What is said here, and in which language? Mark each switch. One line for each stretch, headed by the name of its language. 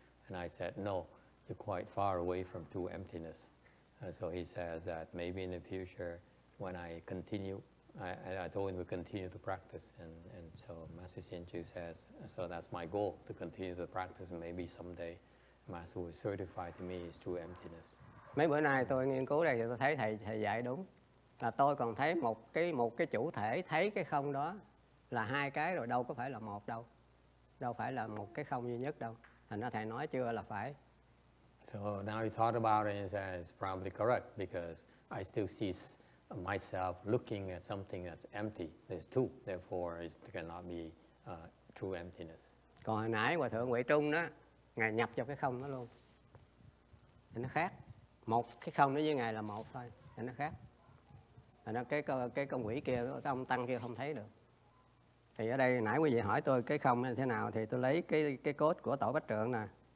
English: And I said, "No, you're quite far away from true emptiness." So he says that maybe in the future, when I continue, I told him to continue to practice. And so Master Shinchu says, "So that's my goal, to continue the practice. And maybe someday, Master will certify to me is true emptiness."
Vietnamese: Mấy bữa nay tôi nghiên cứu đây thì tôi thấy thầy dạy đúng. Là tôi còn thấy một cái chủ thể thấy cái không đó là hai cái rồi, đâu có phải là một đâu. Đâu phải là một cái không duy nhất đâu. Thành ra thầy nói chưa là phải.
English: So now you thought about it and said it's probably correct because I still see myself looking at something that's empty. There's two. Therefore it cannot be true emptiness.
Vietnamese: Còn hồi nãy Hòa Thượng Huệ Trung đó, Ngài nhập vào cái không đó luôn. Thì nó khác. Một cái không đó với Ngài là một thôi. Thì nó khác. Thì nó cái con quỷ kia, cái ông Tăng kia không thấy được. Thì ở đây nãy quý vị hỏi tôi cái không như thế nào, thì tôi lấy cái cốt của Tổ Bách Trượng nè.